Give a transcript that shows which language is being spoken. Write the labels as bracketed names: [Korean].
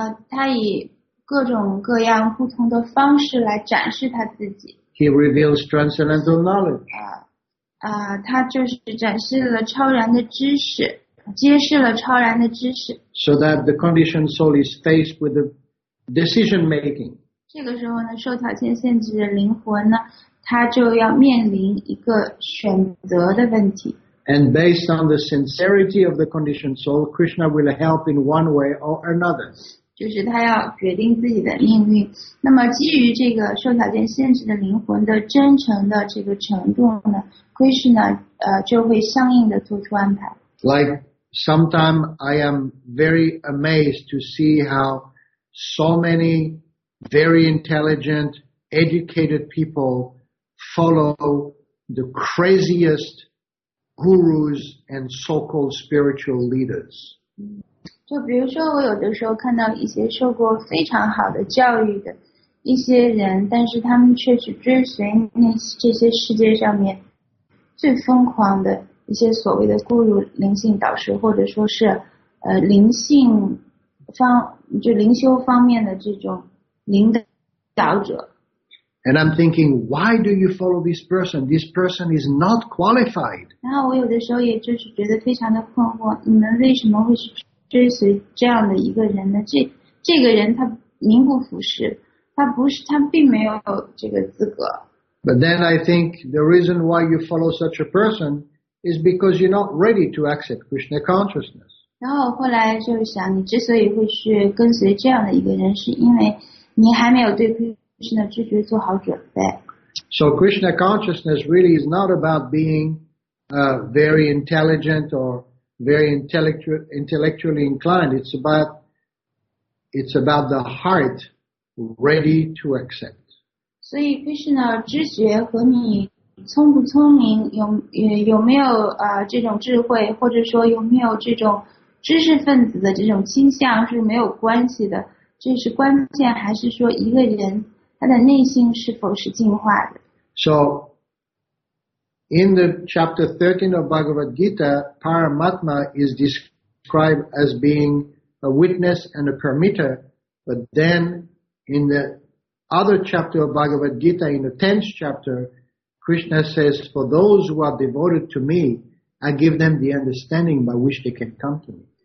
[Chinese] 他以各种各样不同的方式来展示他自己。 [English] He reveals transcendental knowledge. [Chinese] 他就是展示了超然的知识，揭示了超然的知识。 [English] So that the conditioned soul is faced with the decision making. [Chinese] 这个时候呢，受条件限制的灵魂呢，他就要面临一个选择的问题。 [English] And based on the sincerity of the conditioned soul, Krishna will help in one way or another. [Chinese] 就是他要决定自己的命运。那么基于这个受条件限制的灵魂的真诚的这个程度呢， Krishna 就会相应的做出安排。 [English] Like sometime I am very amazed to see how so many very intelligent, educated people follow the craziest gurus and so-called spiritual leaders. [Chinese] 就比如说我有的时候看到一些受过非常好的教育的一些人，但是他们却去追随那这些世界上面最疯狂的一些所谓的孤独灵性导师，或者说是灵性方，就灵修方面的这种领导者。 [English] And I'm thinking, why do you follow this person? This person is not qualified. [Chinese] 然后我有的时候也就是觉得非常的困惑，你们为什么会去追随这样的一个人呢？这个人他名不符实，他不是，他并没有这个资格。 [English] But then I think the reason why you follow such a person is because you're not ready to accept Krishna consciousness. [Chinese] 然后后来就想，你之所以会去跟随这样的一个人，是因为你还没有对Krishna知觉做好准备。 [English] So Krishna consciousness really is not about being very intelligent or very intellectually inclined. It's about the heart ready to accept. [Chinese] 所以 Krishna 知觉和你聪不聪明，有没有这种智慧，或者说有没有这种知识分子的这种倾向是没有关系的。这是关键，还是说一个人他的内心是否是净化的。 [English] So, in the chapter 13 of Bhagavad Gita, Paramatma is described as being a witness and a permitter, but then in the other chapter of Bhagavad Gita, in the 10th chapter, Krishna says, for those who are devoted to me, I give them the understanding by which they can come to me.